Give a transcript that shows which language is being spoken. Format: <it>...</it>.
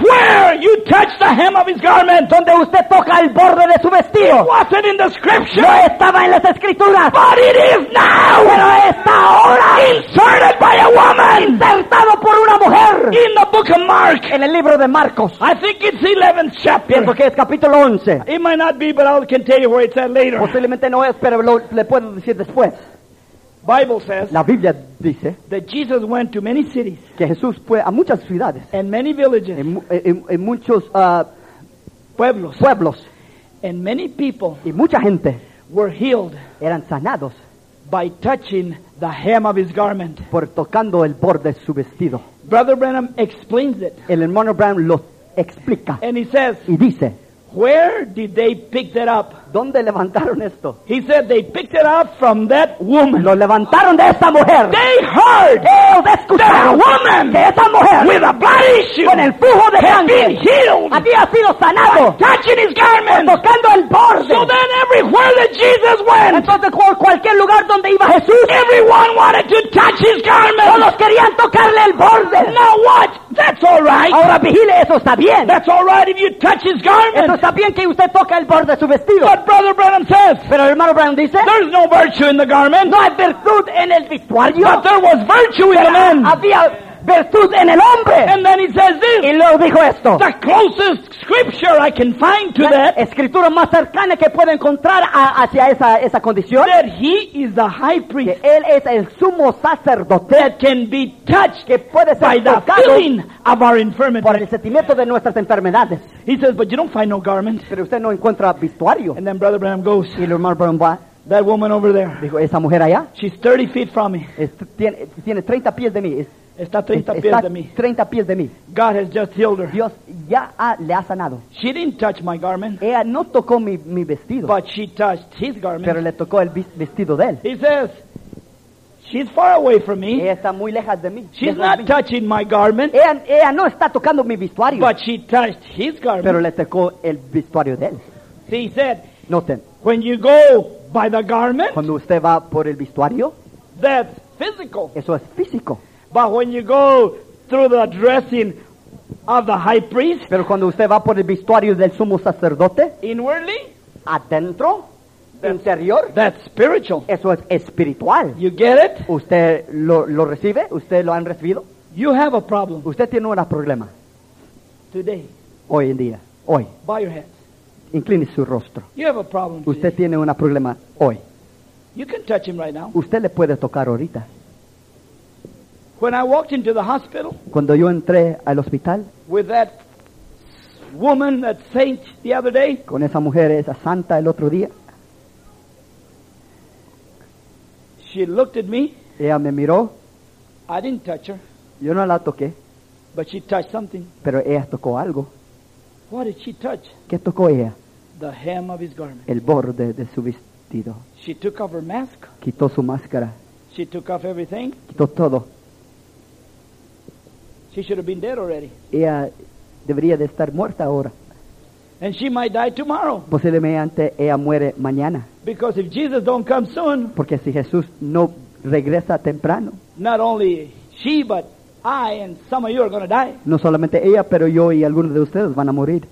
<en>Where you touch the hem of his garment.</en> <es>Donde usted toca el borde de su vestido.</es> <en>It wasn't in the scripture.</en> <es>No estaba en las escrituras.</es> <en>But it is now.</en> <es>Pero está ahora.</es> <en>Inserted by a woman.</en> <es>Insertado por una mujer.</es> <en>In the book of Mark.</en> <es>En el libro de Marcos.</es> <en>I think it's 11th chapter.</en> <es>Pienso que es capítulo 11.</es> <en>It might not be, but I can tell you where it's at later.</en> <es>Posiblemente no es, pero le puedo decir después.</es> <en>Bible says,</en> <es>la Biblia dice</es> <en>that Jesus went to many cities,</en> <es>que Jesús fue a muchas ciudades,</es> <en>and many villages,</en> <es>en muchos pueblos,</es> <en>and many people,</en> <es>y mucha gente,</es> <en>were healed,</en> <es>eran sanados,</es> <en>by touching the hem of his garment,</en> <es>por tocando el borde de su vestido.</es> <en>Brother Branham explains it.</en> <es>El hermano Branham lo explica.</es> <en>And he says,</en> <es>y dice,</es> <en>where did they pick that up?</en> <es>¿Dónde levantaron esto?</es> <en>He said they picked it up from that woman.</en> <es>Lo levantaron de esa mujer.</es> <en>They heard.</en> <es>Ellos escucharon.</es> <en>That woman.</en> <es>Que esa mujer.</es> <en>With a blood issue.</en> <es>Con el flujo de sangre.</es> <en>Had been healed.</en> <es>Había sido sanado.</es> <en>By touching his garment.</en> <es>Tocando el borde.</es> <en>So then everywhere that Jesus went.</en> <es>Entonces cualquier lugar donde iba Jesús.</es> <en>Everyone wanted to touch his garment.</en> <es>Todos querían tocarle el borde.</es> <en>Now watch. That's all right.</en> <es>Ahora vigile, eso está bien.</es> <en>That's all right if you touch his garment.</en> <es>Eso está bien que usted toque el borde de su vestido.</es> <en>But Brother Branham says.</en> <es>Pero el hermano Branham dice.</es> <en>There's no virtue in the garment.</en> <es>No hay virtud en el vestuario.</es> <en>But there was virtue in the man.</en> <es>Había virtud en el hombre.</es> <en>And then he says this.</en> <es>Y luego dijo esto.</es> <en>The closest scripture I can find to that.</en> <es>La escritura más cercana que puedo encontrar hacia esa condición.</es> <en>That he is the high priest.</en> <es>Que él es el sumo sacerdote.</es> <en>That can be touched.</en> <es>Que puede ser</es> <en>by the feeling of our infirmities.</en> <es>Por el sentimiento de nuestras enfermedades.</es> <en>He says, but you don't find no garment.</en> <es>Pero usted no encuentra vestuario.</es> <en>And then Brother Branham goes.</en> <es>Y el hermano Branham va.</es> <en>That woman over there.</en> <es>Dijo, esa mujer allá.</es> <en>She's 30 feet from me.</en> <es>Tiene 30 pies de mí. Está 30 pies de mí.</es> <en>God has just healed her.</en> <es>Dios ya le ha sanado.</es> <en>She didn't touch my garment.</en> <es>Ella no tocó mi vestido.</es> <en>But she touched his garment.</en> <es>Pero le tocó el vestido de él.</es> <en>He says, she's far away from me.</en> <es>Ella está muy lejos de mí.</es> <en>She's not touching my garment.</en> <es>Ella no está tocando mi vestuario.</es> <en>But she touched his garment.</en> <es>Pero le tocó el vestuario de él.</es> <en>See, he said,</en> <es>noten,</es> <en>when you go by the garment,</en> <es>cuando usted va por el vestuario,</es> <en>that's physical.</en> <es>Eso es físico.</es> <en>But when you go through the dressing of the high priest,</en> <es>pero cuando usted va por el vestuario del sumo sacerdote,</es> <en>inwardly,</en> <es>adentro,</es> <en>that's,</en> <es>interior,</es> <en>that's spiritual.</en> <es>Eso es espiritual.</es> <en>You get it?</en> <es>Usted lo recibe? Usted lo han recibido?</es> <en>You have a problem.</en> <es>Usted tiene un problema.</es> <en>Today.</en> <es>Hoy en día. Hoy.</es> <en>Bow your head.</en> <es>Incline su rostro.</es> <en>You have a problem.</en> <es>Usted Tiene un problema hoy.</es> <en>You can touch him right now.</en> <es>Usted le puede tocar ahorita.</es> <en>When I walked into the hospital,</en> <es>cuando yo entré al hospital,</es> <en>with that woman, that saint, the other day,</en> <es>con esa mujer, esa santa, el otro día,</es> <en>she looked at me.</en> <es>Ella me miró.</es> <en>I didn't touch her.</en> <es>Yo no la toqué.</es> <en>But she touched something.</en> <es>Pero ella tocó algo.</es> <en>What did she touch?</en> <es>¿Qué tocó ella?</es> <en>The hem of his garment.</en> <es>El borde de su vestido.</es> <en>She took off her mask.</en> <es>Quitó su máscara.</es> <en>She took off everything.</en> <es>Quitó todo.</es> <en>She should have been dead already.</en> <es>Ella debería de estar muerta ahora.</es> <en>And she might die tomorrow.</en> <es>Posiblemente ella muere mañana.</es> <en>Because if Jesus don't come soon,</en> <es>porque si Jesús no regresa temprano,</es> <en>not only she, but I and some of you are going to die.</en> <es>No solamente ella, pero yo y algunos de ustedes van a morir.</es>